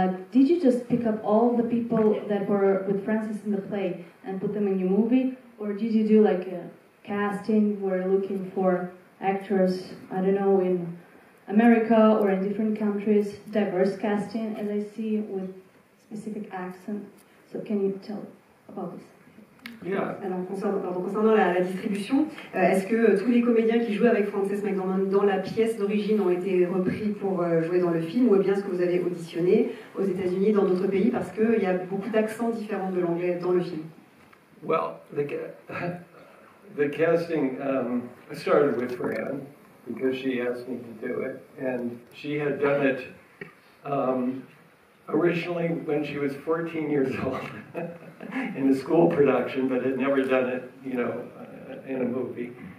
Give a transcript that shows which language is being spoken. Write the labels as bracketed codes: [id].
[en] Did you just pick up all the people that were with Francis in the play and put them in your movie? Or did you do like a casting where you're looking for actors, I don't know, in America or in different countries, diverse casting, as I see, with specific accent. So can you tell about this? Yeah. [fr] Alors, concernant la distribution, est-ce que tous les comédiens qui jouaient avec Frances McDormand dans la pièce d'origine ont été repris pour jouer dans le film, ou bien est-ce que vous avez auditionné aux États-Unis, dans d'autres pays, parce qu'il y a beaucoup d'accents différents de l'anglais dans le film? [en] Well, the casting started with Fran, because she asked me to do it, and she had done it originally when she was 14 years old in a school production, but had never done it, you know, in a movie.